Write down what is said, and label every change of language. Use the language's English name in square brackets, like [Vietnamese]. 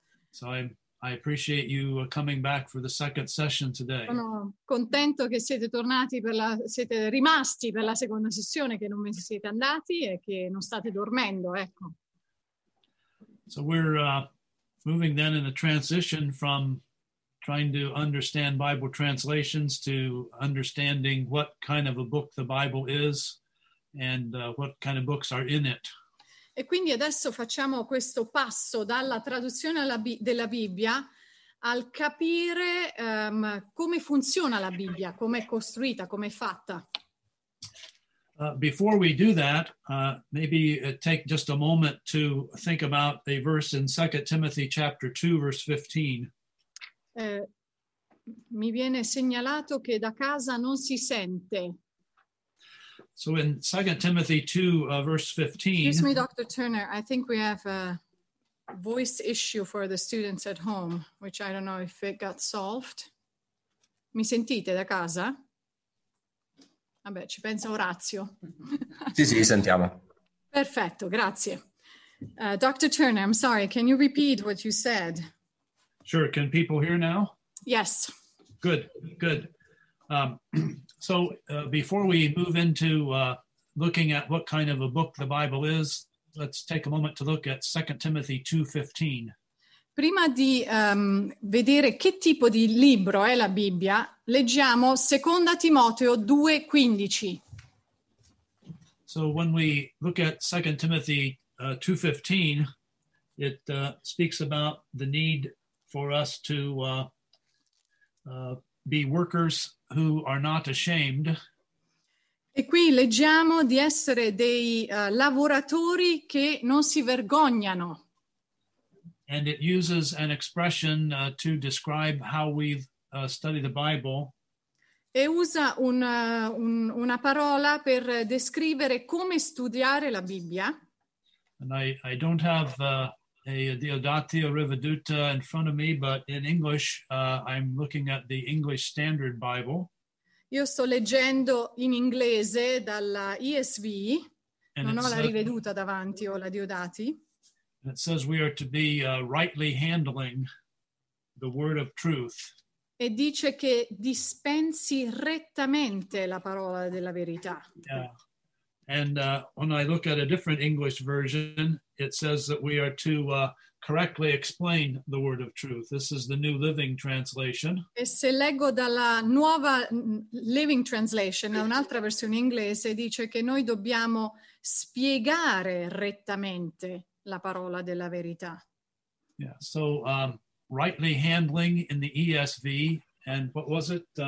[English] So I appreciate you coming back for the second session today. [Italian] Sono contento che siete tornati siete rimasti per la seconda sessione, che non vi siete andati e che non state dormendo, ecco. [English] So we're moving then in a transition from trying to understand Bible translations to understanding what kind of a book the Bible is and what kind of books are in it. [Italian] E quindi adesso facciamo questo passo dalla traduzione della Bibbia al capire come funziona la Bibbia, come è costruita, come è fatta. [English] Before we do that, maybe take just a moment to think about a verse in 2 Timothy chapter 2, verse 15. [Italian] Mi viene segnalato che da casa non si sente. [English] So in 2 Timothy 2, verse 15. Excuse me, Dr. Turner, I think we have a voice issue for the students at home, which I don't know if it got solved. [Italian] Mi sentite da casa? Vabbè, ci pensa Orazio. Sì, sì, sentiamo. Perfetto, grazie. Dr. [English] Turner, I'm sorry, can you repeat what you said? Sure, can people hear now? Yes. Good, good. So before we move into looking at what kind of a book the Bible is, let's take a moment to look at 2 Timothy 2:15. [Italian] Prima di vedere che tipo di libro è la Bibbia, leggiamo 2 Timoteo 2:15. [English] So when we look at 2 Timothy 2:15, it speaks about the need for us to be workers who are not ashamed. [Italian] E qui leggiamo di essere dei lavoratori che non si vergognano. [English] And it uses an expression to describe how we study the Bible. [Italian] E usa una parola per descrivere come studiare la Bibbia. [English] And I don't have a Diodatio Rivaduta in front of me, but in English I'm looking at the English Standard Bible. [Italian] Io sto leggendo in inglese dalla ESV, and non ho la Riveduta davanti o la Diodati. [English] It says we are to be rightly handling the word of truth. [Italian] E dice che dispensi rettamente la parola della verità. [English] Yeah. And when I look at a different English version, it says that we are to correctly explain the word of truth. This is the New Living Translation. [Italian] E se leggo dalla Nuova Living Translation, un'altra versione inglese, dice che noi dobbiamo spiegare rettamente la parola della verità. [English] Yeah, so rightly handling in the ESV, and what was it?